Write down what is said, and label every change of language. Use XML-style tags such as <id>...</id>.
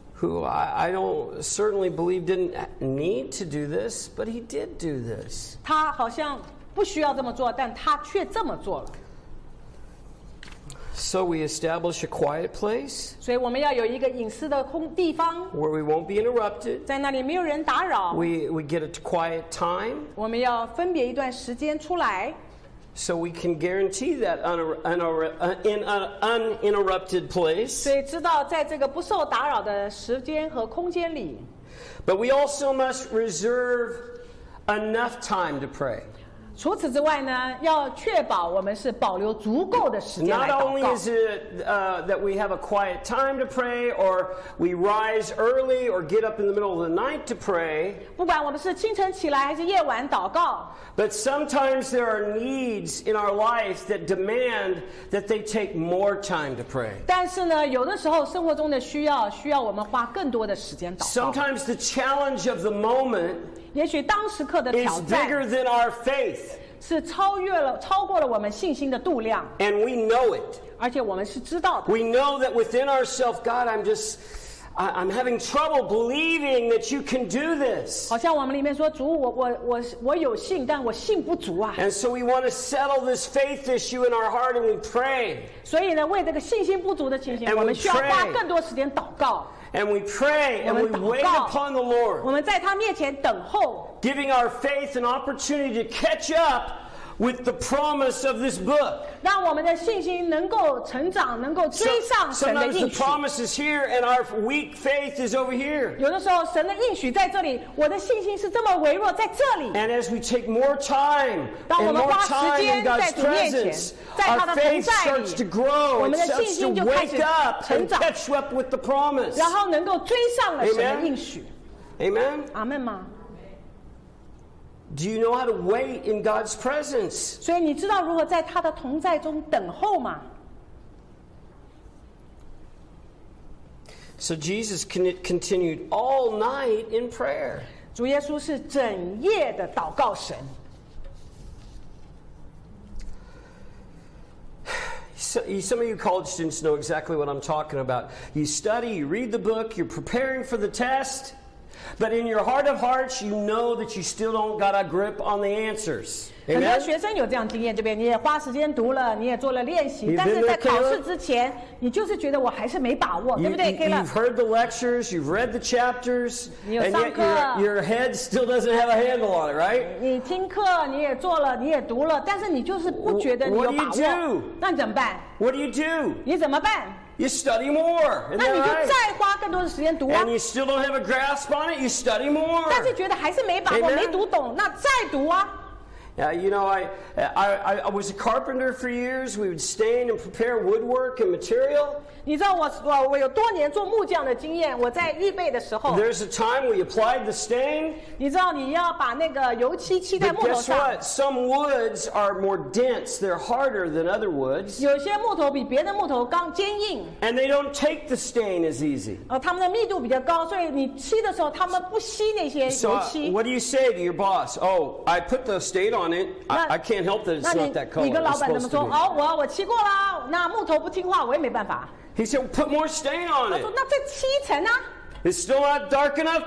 <en>who I don't certainly believe didn't need to do this, but he did do this.</en> <zh>他好像不需要这么做但他却这么做了</zh> <en>So we establish a quiet place.</en> <zh>所以我们要有一个隐私的空地方</zh> <en>Where we won't be interrupted.</en> <zh>在那里没有人打扰</zh> <en>We get a quiet time.</en> <zh>我们要分别一段时间出来</zh> <en>So we can guarantee that in an uninterrupted place.</en> <zh>所以知道在这个不受打扰的时间和空间里</zh> <en>But we also must reserve enough time to pray.</en> <zh>除此之外呢，要确保我们是保留足够的时间来祷告。</zh> <en>Not only is it that we have a quiet time to pray, or we rise early, or get up in the middle of the night to pray.</en> <zh>不管我们是清晨起来还是夜晚祷告。</zh> <en>But sometimes there are needs in our life that demand that they take more time to pray.</en> <zh>但是呢，有的时候生活中的需要需要我们花更多的时间祷告。</zh> <en>Sometimes the challenge of the moment.</en> <zh>也许当时刻的挑战</zh> <en>is bigger than our faith,</en> <zh>是超越了超过了我们信心的度量</zh> <en>and we know it.</en> <zh>而且我们是知道的</zh> <en>We know that within ourselves, God, I'm having trouble believing that you can do this.</en> <zh>好像我们里面说主我有信但我信不足啊</zh> <en>And so we want to settle this faith issue in our heart and we pray.</en> <zh>所以呢为这个信心不足的情形</zh> <en>and</en> <zh>我们需要花更多时间祷告</zh> <en>And we pray and we wait upon the Lord.</en> <zh>我们在他面前等候</zh> <en>Giving our faith an opportunity to catch up with the promise of this book.</en> <zh>让我们的信心能够成长，能够追上神的应许。</zh> <en>Sometimes the promise is here and our weak faith is over here.</en> <zh>有的时候神的应许在这里，我的信心是这么微弱，在这里。</zh> <en>And as we take more time,</en> <zh>当我们花时间在主面前，在他的同在里，</zh> <en>our faith starts to grow, it starts to wake up,</en> <zh>我们的信心就开始成长，</zh> <en>catch up with the promise.</en> <zh>然后能够追上了神的应许。</zh> <en>Amen.</en> <zh>阿门吗？</zh> <en>Do you know how to wait in God's presence?</en> <zh>所以你知道如何在他的同在中等候吗？</zh> <en>So Jesus continued all night in prayer.</en> <zh>主耶稣是整夜的祷告神。</zh> <en>Some of you college students know exactly what I'm talking about. You study, you read the book, you're preparing for the test. But in your heart of hearts, you know that you still don't got a grip on the answers.</en> <zh>很多学生有这样经验，对不对？你也花时间读了，你也做了练习，但是在考试之前，你就是觉得我还是没把握，对不对 ，Kayla?</zh> <en>You've heard the lectures, you've read the chapters,</en> <zh>你有上课</zh> <en>and yet your head still doesn't have a handle on it, right?</en> <zh>你听课，你也做了，你也读了，但是你就是不觉得你有把握。</zh> <en>What do you do?</en> <zh>那你怎么办</zh> <en>？What do you do?</en> <zh>你怎么办？</zh> <en>You study more.</en> <zh>那你就再花更多的时间读啊。</zh> <en>And you still don't have a grasp on it. You study more.</en> <zh>但是觉得还是没把握，没读懂，那再读啊。</zh> <en>You know, I was a carpenter for years. We would stain and prepare woodwork and material.</en> <zh>你知道我有多年做木匠的经验，我在预备的时候。</zh> <en>There's a time we applied the stain.</en> <zh>你知道你要把那个油漆漆在木头上。</zh> <en>But guess what? Some woods are more dense. They're harder than other woods.</en> <zh>有些木头比别的木头更坚硬。</zh> <en>And they don't take the stain as easy.</en> <zh>它们的密度比较高，所以你漆的时候它们不吸那些油漆。</zh> <en>So, what do you say to your boss? Oh, I put the stain on. I can't help that it's not that color.</en> <zh>你跟老板怎么说？哦，我漆过了，那木头不听话，我也没办法。</zh> <en>He said, "Put more stain on it."</en> <zh>他说：“那再漆一层呢？”</zh> <en>It's still not dark enough.</en>